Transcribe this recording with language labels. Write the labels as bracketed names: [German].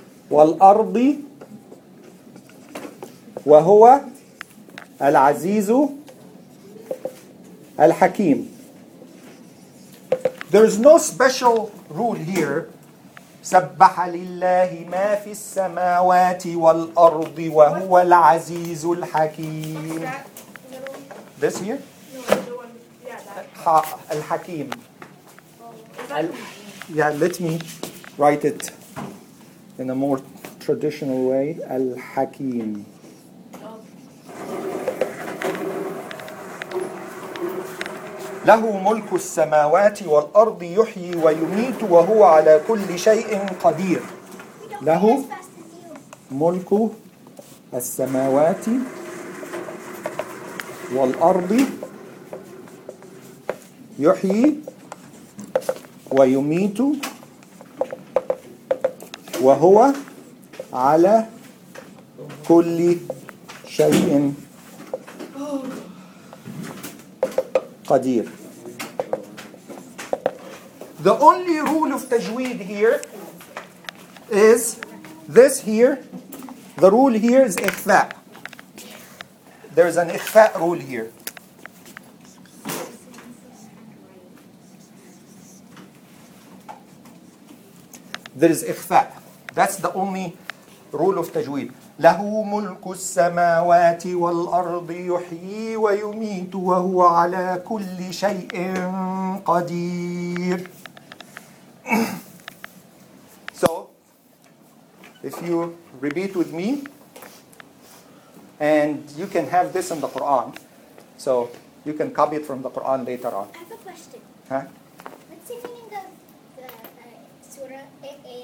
[Arabic] والأرض. وهو العزيز الحكيم. [English] There is no special rule here [Arabic] سبح لله ما في السماوات والأرض وهو العزيز الحكيم. [English] This here? No, the one. Yeah, that. [Arabic] الحكيم. [English] Yeah, let me write it in a more traditional way. [Arabic] الحكيم. له ملك السماوات والأرض يحيي ويميت وهو على كل شيء قدير. له ملك السماوات والأرض يحيي ويميت وهو على كل شيء قدير. [English] The only rule of tajweed here is this here. The rule here is ikhfa. There is an ikhfa rule here. There is ikhfa. That's the only rule of tajweed. [Arabic] له ملك السماوات والأرض يحيي ويميت وهو على كل شيء قدير. [English] So, if you repeat with me, and you can have this in the Quran, so you can copy it from the Quran later on. I have a question. Huh? What's the meaning of the surah name?